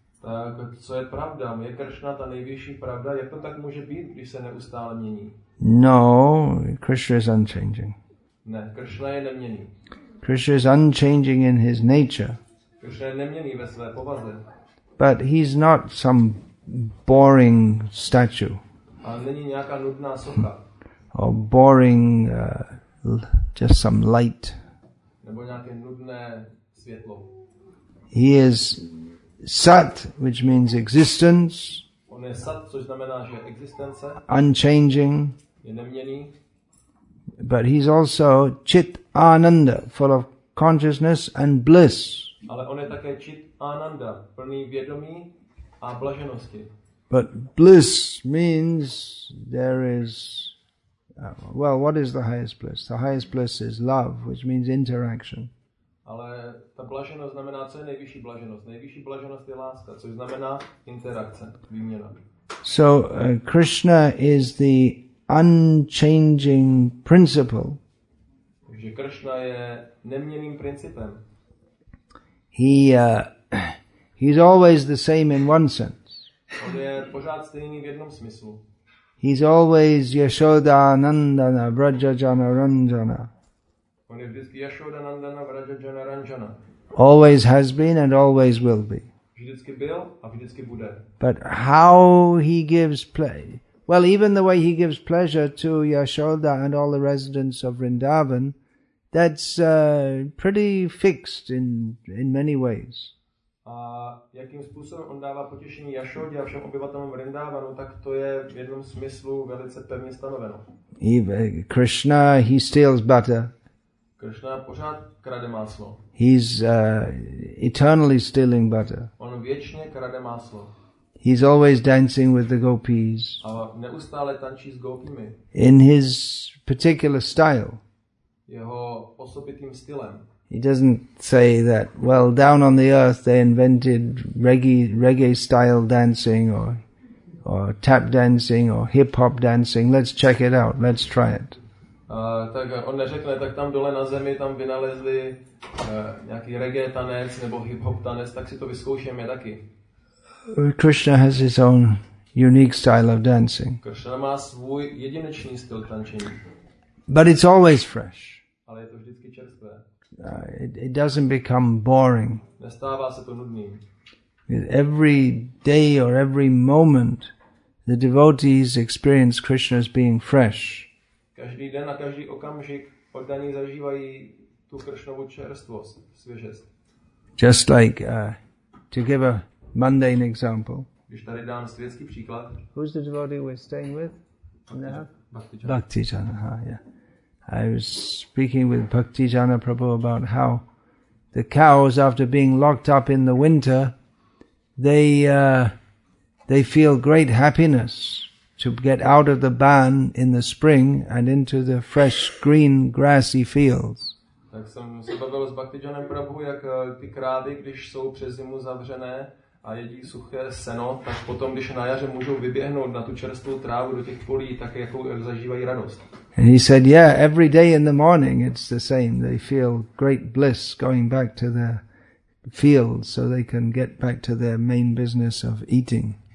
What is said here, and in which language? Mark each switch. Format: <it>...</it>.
<cs>Tak co je pravda? Je Krishna ta nejvyšší pravda? Jak to tak může být, když se neustále mění?</cs> <en>No, Krishna is unchanging.</en> <cs>Ne, Krishna je neměný.</cs> <en>Krishna is unchanging in his nature.</en> <cs>Krishna je neměný ve své povaze.</cs> <en>But he's not some boring statue.</en> <cs>A není nějaká nudná socha.</cs> <en>Or boring, just some light.</en> <cs>Nebo nějaké nudné světlo.</cs> <en>He is Sat, which means existence.</en> <cs>On je Sat, což znamená, že existence.</cs> <en>Unchanging.</en> <cs>Je neměný.</cs> <en>But he's also Chit Ananda, full of consciousness and bliss.</en> <cs>Ale on je také Chit Ananda, plný vědomí a blaženosti.</cs> <en>But bliss means there is what is the highest bliss? The highest bliss is love, which means interaction.</en> <cs>Ale ta blaženost znamená, co je nejvyšší blaženost? Nejvyšší blaženost je láska, což znamená interakce, výměna.</cs> <en>So Krishna is the unchanging principle.</en> <cs>Takže Krishna je neměným principem.</cs> <en>He's always the same in one sense.</en> <cs>On je pořád stejný v jednom smyslu.</cs> <en>He's always Yashoda Nandana Vraja Jana Ranjana.</en> <cs>On je vždycky Yashoda Nandana Vraja Jana Ranjana.</cs> <en>Always has been and always will be.</en> <cs>Vždycky byl a vždycky bude.</cs> <en>But how he gives pleasure, well, even the way he gives pleasure to Yashoda and all the residents of Vrindavan, that's pretty fixed in many ways.</en> <cs>A jakým způsobem on dává potěšení Yashodě a všem obyvatelům Vrindavanu, tak to je v jednom smyslu velice pevně stanoveno.</cs> <en>Krishna, he steals butter.</en> <cs>Krishna pořád krade máslo.</cs> <en>He's eternally stealing butter.</en> <cs>On věčně krade máslo.</cs> <en>He's always dancing with the gopis.</en> <cs>A neustále tančí s gopimi.</cs> <en>In his particular style.</en> <cs>Jeho osobitým stylem.</cs> <en>He doesn't say that, well, down on the earth they invented reggae style dancing or tap dancing or hip hop dancing. Let's check it out. Let's try it.</en> <cs>Tak on neřekne, tak tam dole na zemi tam vynalezli nějaký reggae tanec nebo hip hop tanec, tak si to vyzkoušíme taky.</cs> <en>Krishna has his own unique style of dancing.</en> <cs>Krishna má svůj jedinečný styl tančení.</cs> <en>But it's always fresh.</en> <cs>Ale je to vždycky čerstvé.</cs> <en>It doesn't become boring.</en> <cs>Nestává se to nudným.</cs> <en>Every day or every moment, the devotees experience Krishna as being fresh.</en> <cs>Každý den a každý okamžik oddaní zažívají tu Krishnovu čerstvost, svěžest.</cs> <en>Just like to give a mundane example.</en> <cs>Když tady dám světský příklad.</cs> <en>Who's the devotee we're staying with? Bhakti Jana. Bhakti Jana, yeah. I was speaking with Bhaktijana Prabhu about how the cows, after being locked up in the winter, they feel great happiness to get out of the barn in the spring and into the fresh, green, grassy fields.</en> <cs>Tak jsem se bavil s Bhaktijanem Prabhu, jak ty krávy, když jsou přes zimu zavřené a jedí suché seno, tak potom, když na jaře můžou vyběhnout na tu čerstvou trávu do těch polí, tak jakou zažívají radost.</cs> <en>And he said, yeah, every day in the morning it's the same. They feel great bliss going back to their fields so they can get back to their main business of eating.</en>